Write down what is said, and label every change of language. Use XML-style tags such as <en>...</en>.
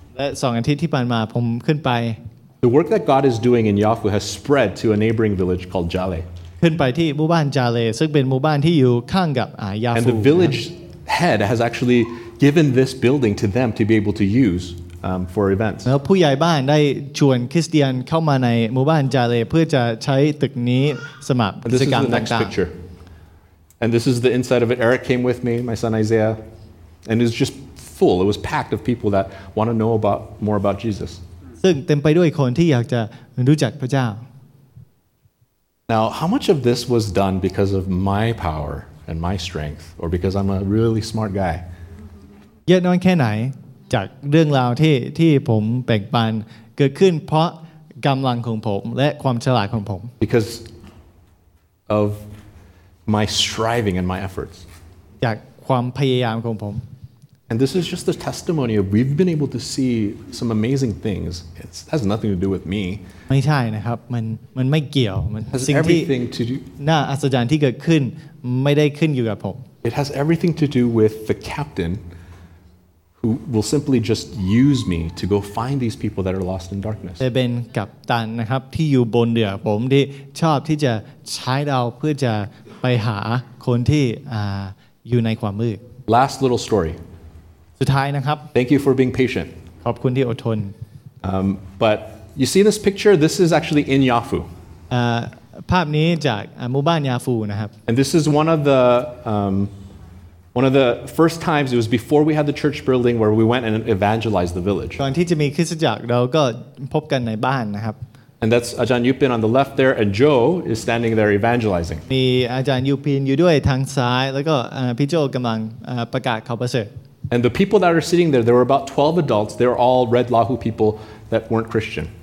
<en>The work that God is doing in Yafu has spread to a neighboring village called Jale. And the village head has actually given this building to them to be able to use for events.</en> <th>แล้วผู้ใหญ่บ้านได้ชวนคริสเตียนเข้ามาในหมู่บ้านจาเลเพื่อจะใช้ตึกนี้สำหรับกิจกรรมต่างๆ</th> <en>And this is the inside of it. Eric came with me, my son Isaiah. And it was just full. It was packed of people that want to know about more about Jesus. Now, how much of this was done because of my power and my strength, or because I'm a really smart guy?</en> <th>เยอะน้อยแค่ไหนจากเรื่องราวที่ผมแบ่งปันเกิดขึ้นเพราะกำลังของผมและความฉลาดของผม</th> <en>Because of... My striving and my efforts.</en> <th>จากความพยายามของผม</th> <en>And this is just the testimony of we've been able to see some amazing things. It has nothing to do with me.</en> <th>ไม่ใช่นะครับมันไม่เกี่ยวมัน สิ่งที่ น่าอัศจรรย์ที่เกิดขึ้นไม่ได้ขึ้นอยู่กับผม</th> <en>It has everything to do with the captain who will simply just use me to go find these people that are lost in darkness.</en> <th>เป็นกัปตันนะครับที่อยู่บนเรือผมที่ชอบที่จะใช้เราเพื่อจะไปหาคนที่อยู่ในความมืด</th> <en>Last little story.</en> <th>สุดท้ายนะครับ</th> <en>Thank you for being patient.</en> <th>ขอบคุณที่อดทน</th> <en>But you see this picture? This is actually in Yafu.</en> <th>ภาพนี้จากหมู่บ้านยาฟูนะครับ</th> <en>And this is one of the first times. It was before we had the church building where we went and evangelized the village.</en> <th>ก่อนที่จะมีคริสตจักรเราก็พบกันในบ้านนะครับ</th> <en>And that's Ajahn Yupin on the left there, and Joe is standing there evangelizing.</en> <th>มีอาจารย์ยูปินอยู่ด้วยทางซ้ายแล้วก็พี่โจกำลังประกาศข่าวประเสริฐ</th> <en>And the people that are sitting there were about 12 adults. They're all Red Lahu people that weren't Christian.</en>